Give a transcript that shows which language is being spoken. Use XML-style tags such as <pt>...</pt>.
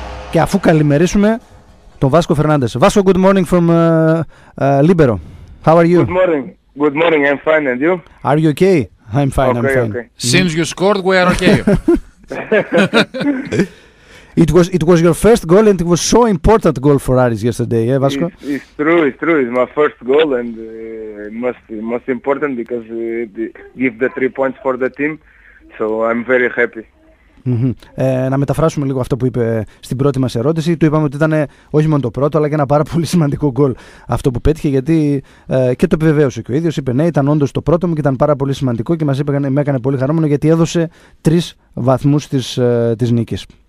<el>Και αφού καλημερίσουμε τον Βάσκο Φερνάντες.</el> <en>Βάσκο, good morning from Libero. How are you? Good morning. Good morning. I'm fine. And you? Are you okay? I'm fine. Okay, I'm fine. Okay. Since you scored, we are okay. It was your first goal, and it was so important goal for Aris yesterday, yeah, Vasco? It's true. It's my first goal, and most important because it gives the 3 points for the team. So I'm very happy.</en> <el>Να μεταφράσουμε λίγο αυτό που είπε στην πρώτη μας ερώτηση. Του είπαμε ότι ήταν όχι μόνο το πρώτο, αλλά και ένα πάρα πολύ σημαντικό γκολ αυτό που πέτυχε, γιατί και το επιβεβαίωσε και ο ίδιος. Είπε ναι, ήταν όντως το πρώτο μου και ήταν πάρα πολύ σημαντικό και μας είπε, με έκανε πολύ χαρούμενο, γιατί έδωσε 3 βαθμούς της νίκης.</el>